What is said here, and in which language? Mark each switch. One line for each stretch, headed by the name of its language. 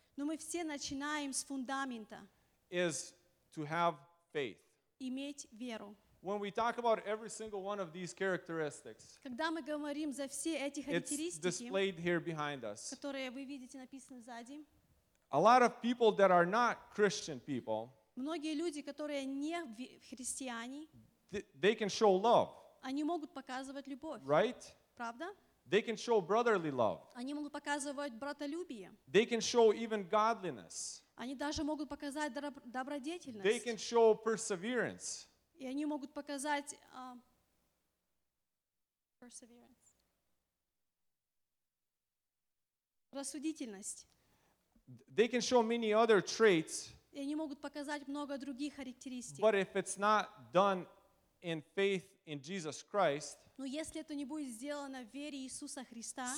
Russian: Но мы все начинаем с фундамента.
English: Is to have faith.
Russian: Иметь веру.
English: When we talk about every single one of these characteristics.
Russian: Когда мы говорим за все эти характеристики.
English: It's displayed here behind us.
Russian: Которые вы видите написаны сзади.
English: A lot of people that are not Christian people.
Russian: Многие люди, которые не христиане.
English: They can show love.
Russian: Они могут показывать любовь.
English: Right?
Russian: Правда?
English: They can show brotherly love.
Russian: Они могут показывать братолюбие.
English: They can show even godliness.
Russian: Они даже могут показать добродетельность.
English: They can show perseverance.
Russian: И они могут показать perseverance. Рассудительность.
English: They can show many other traits.
Russian: И они могут показать много других характеристик.
English: But if it's not done in faith in Jesus Christ,
Russian: но если это не будет сделано в вере Иисуса Христа,